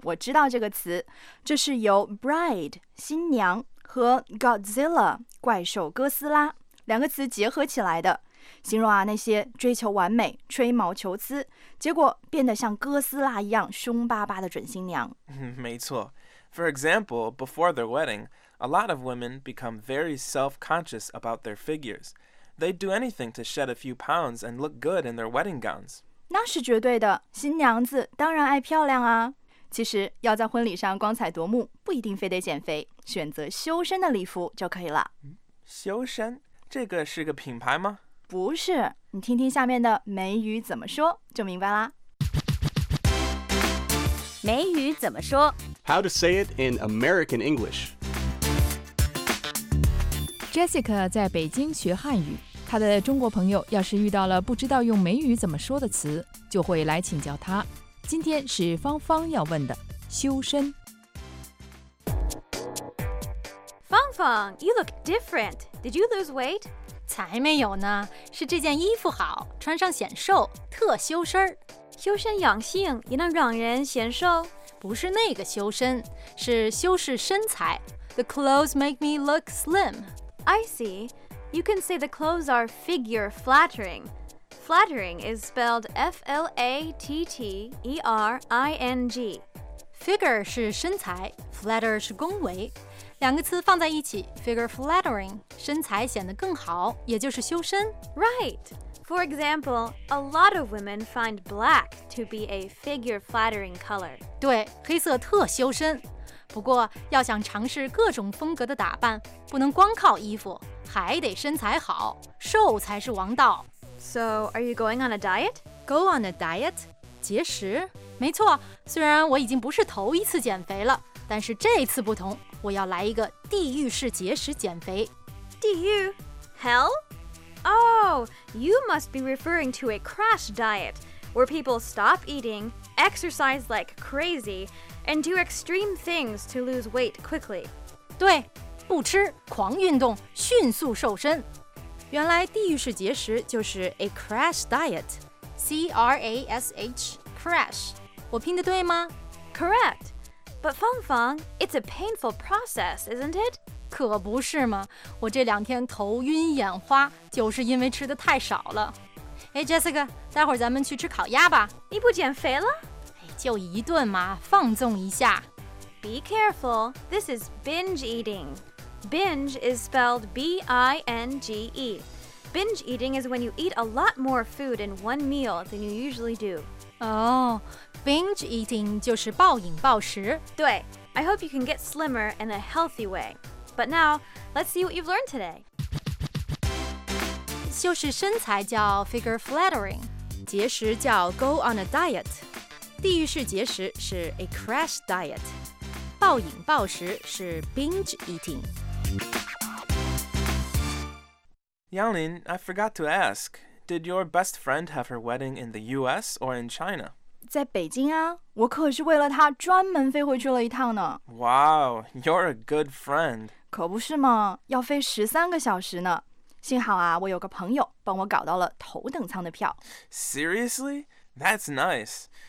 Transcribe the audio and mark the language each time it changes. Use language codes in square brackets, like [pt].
[zh] 我知道这个词，这是由 bride 新娘和 Godzilla 怪兽哥斯拉两个词结合起来的，形容啊那些追求完美、吹毛求疵，结果变得像哥斯拉一样凶巴巴的准新娘。没错。 [en] For example, before their wedding, a lot of women become very self-conscious about their figures. They'd do anything to shed a few pounds and look good in their wedding gowns. [zh] 那是绝对的，新娘子当然爱漂亮啊。其实要在婚礼上光彩夺目，不一定非得减肥，选择修身的礼服就可以了。修身？这个是个品牌吗？不是，你听听下面的美语怎么说就明白啦。美语怎么说 [en] ？How to say it in American English? [zh] Jessica 在北京学汉语，她的中国朋友要是遇到了不知道用美语怎么说的词，就会来请教她。今天是芳芳要问的，修身。 [en] 芳芳 ，You look different. Did you lose weight? [zh] 才没有呢，是这件衣服好，穿上显瘦，特修身。修身养性也能让人显瘦？不是那个修身，是修饰身材。 [en] The clothes make me look slim. I see. You can say the clothes are figure flattering. Flattering is spelled F-L-A-T-T-E-R-I-N-G. [zh] Figure 是身材 ，flatter 是恭维。两个词放在一起 ，figure flattering， 身材显得更好，也就是修身。 [en] Right. For example, a lot of women find black to be a figure flattering color. [zh] 对，黑色特修身。不过要想尝试各种风格的打扮，不能光靠衣服，还得身材好，瘦才是王道。 [en] So, are you going on a diet? Go on a diet? [zh] 节食？没错，虽然我已经不是头一次减肥了，但是这次不同，我要来一个地狱式节食减肥。地狱？Hell? [en] Oh, you must be referring to a crash diet, where people stop eating, exercise like crazy, and do extreme things to lose weight quickly. [zh] 对，不吃，狂运动，迅速瘦身。原来地狱式节食就是 [en] a crash diet, C-R-A-S-H, crash. [zh] 我拼得对吗？ [en] Correct. But Feng Feng, it's a painful process, isn't it? [zh] 可不是嘛，我这两天头晕眼花，就是因为吃得太少了。哎 ,Jessica, 待会儿咱们去吃烤鸭吧。你不减肥了？就一顿嘛，放纵一下。 [en] Be careful, this is binge eating. Binge is spelled B-I-N-G-E. Binge eating is when you eat a lot more food in one meal than you usually do. Oh, binge eating [zh] 就是暴饮暴食。 [en] 对 ,I hope you can get slimmer in a healthy way. But now, let's see what you've learned today. [zh] 修饰身材叫 figure flattering, 节食叫 [en] go on a diet, [zh] 地狱式节食是 [en] a crash diet. [zh] 暴饮暴食是 binge eating. [en] Yanlin, I forgot to ask, did your best friend have her wedding in the US or in China? [zh] 在北京啊，我可是为了她专门飞回去了一趟呢。 [en] Wow, you're a good friend. [zh] 可不是吗？要飞13个小时呢。幸好啊，我有个朋友帮我搞到了头等舱的票。 [en] Seriously? That's nice.